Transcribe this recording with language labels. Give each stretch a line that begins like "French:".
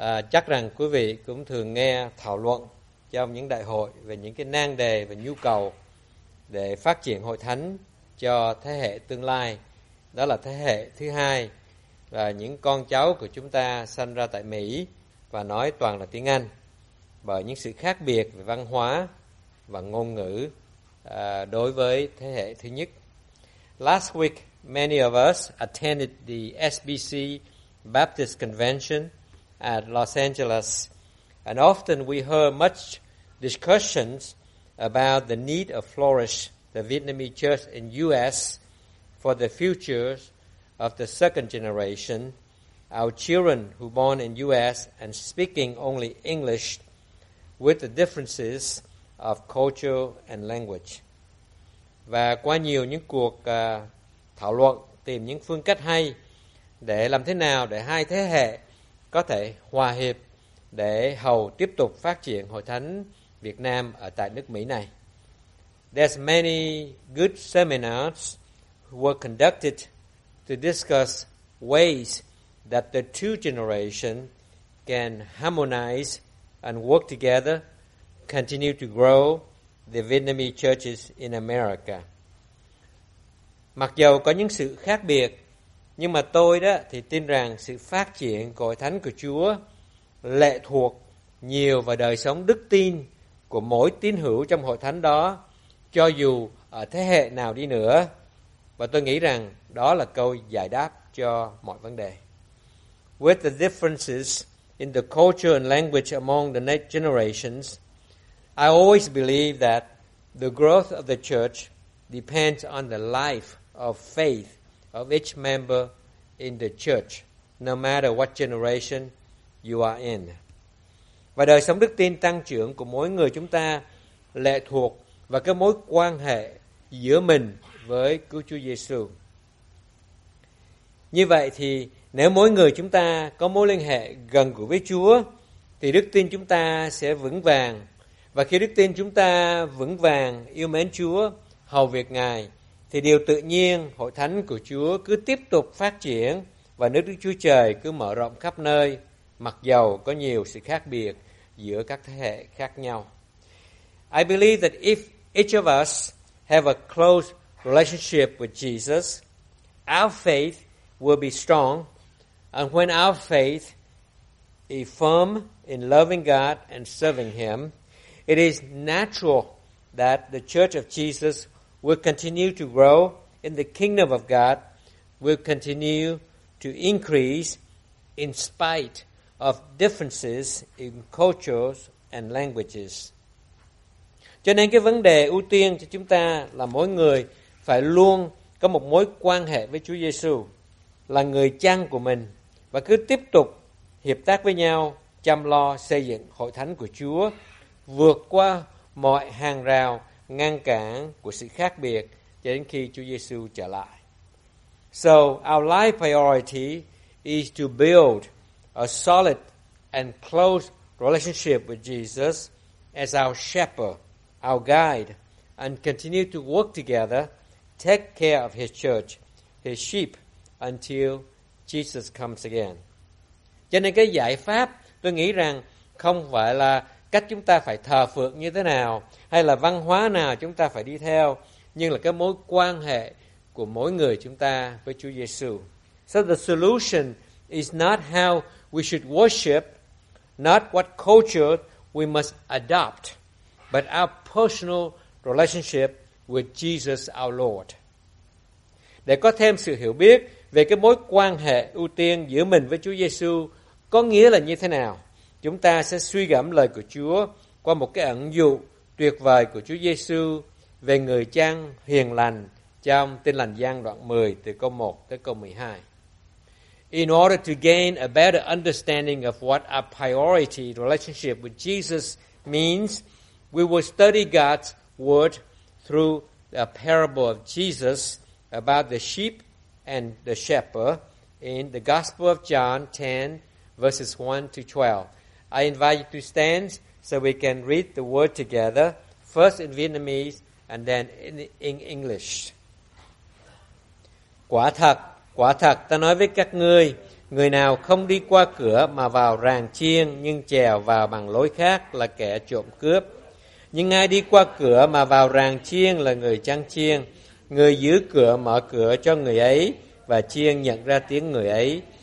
Vietnamese: Chắc rằng quý vị cũng thường nghe thảo luận trong những đại hội về những cái nan đề và nhu cầu để phát triển hội thánh cho thế hệ tương lai. Đó là thế hệ thứ hai và những con cháu của chúng ta sinh ra tại Mỹ và nói toàn là tiếng Anh, bởi những sự khác biệt về văn hóa và ngôn ngữ đối với thế hệ thứ nhất.
English: Last week, many of us attended the SBC Baptist Convention at Los Angeles, and often we heard much discussions about the need to flourish the Vietnamese church in U.S. for the future of the second generation, our children who born in U.S. and speaking only English, with the differences of culture and language.
Vietnamese: Và qua nhiều những cuộc thảo luận tìm những phương cách hay để làm thế nào để hai thế hệ có thể hòa hiệp để hầu tiếp tục phát triển Hội Thánh Việt Nam ở tại nước Mỹ này.
English: There's many good seminars were conducted to discuss ways that the two generations can harmonize and work together, continue to grow the Vietnamese churches in America.
Vietnamese: Mặc dù có những sự khác biệt, nhưng mà tôi đó thì tin rằng sự phát triển của Hội Thánh của Chúa lệ thuộc nhiều vào đời sống đức tin của mỗi tín hữu trong Hội Thánh đó, cho dù ở thế hệ nào đi nữa. Và tôi nghĩ rằng đó là câu giải đáp cho mọi vấn đề.
English: With the differences in the culture and language among the next generations, I always believe that the growth of the church depends on the life of faith of each member in the church, no matter what generation you are in.
Vietnamese: Và đời sống đức tin tăng trưởng của mỗi người chúng ta lệ thuộc vào cái mối quan hệ giữa mình với Cứu Chúa Giê-xu. Như vậy thì nếu mỗi người chúng ta có mối liên hệ gần gũi với Chúa, thì đức tin chúng ta sẽ vững vàng. Và khi đức tin chúng ta vững vàng, yêu mến Chúa, hầu việc Ngài, thì điều tự nhiên Hội Thánh của Chúa cứ tiếp tục phát triển và nước Đức Chúa Trời cứ mở rộng khắp nơi, mặc dầu có nhiều sự khác biệt giữa các thế hệ khác nhau.
English: I believe that if each of us have a close relationship with Jesus, our faith will be strong, and when our faith is firm in loving God and serving Him, it is natural that the Church of Jesus will continue to grow in the kingdom of God, will continue to increase in spite of differences in cultures and languages.
Vietnamese: Cho nên cái vấn đề ưu tiên cho chúng ta là mỗi người phải luôn có một mối quan hệ với Chúa Giê-xu, là người chăn của mình, và cứ tiếp tục hiệp tác với nhau, chăm lo xây dựng Hội Thánh của Chúa, vượt qua mọi hàng rào ngăn cản của sự khác biệt cho đến khi Chúa Giê-xu trở lại.
English: So our life priority is to build a solid and close relationship with Jesus as our shepherd, our guide, and continue to work together, take care of His church, His sheep, until Jesus comes again.
Vietnamese: Cho nên cái giải pháp tôi nghĩ rằng không phải là cách chúng ta phải thờ phượng như thế nào hay là văn hóa nào chúng ta phải đi theo, nhưng là cái mối quan hệ của mỗi người chúng ta với Chúa Giê-xu.
English: So the solution is not how we should worship, not what culture we must adopt, but our personal relationship with Jesus our Lord.
Vietnamese: Để có thêm sự hiểu biết về cái mối quan hệ ưu tiên giữa mình với Chúa Giê-xu có nghĩa là như thế nào, chúng ta sẽ suy gẫm lời của Chúa qua một cái ẩn dụ tuyệt vời của Chúa Giê-xu về người chăn hiền lành trong Tin Lành Giăng đoạn 10 từ câu 1 tới câu 12.
English: In order to gain a better understanding of what our priority relationship with Jesus means, we will study God's word through the parable of Jesus about the sheep and the shepherd in the Gospel of John 10 verses 1 to 12. I invite you to stand so we can read the word together, first in Vietnamese and then in English.
Vietnamese: quả thật ta nói với các ngươi, người nào không đi qua cửa mà vào ràng chiên nhưng trèo vào bằng lối khác là kẻ trộm cướp. Nhưng ai đi qua cửa mà vào ràng chiên là người chăn chiên. Người giữ cửa mở cửa cho người ấy và chiên nhận ra tiếng người ấy.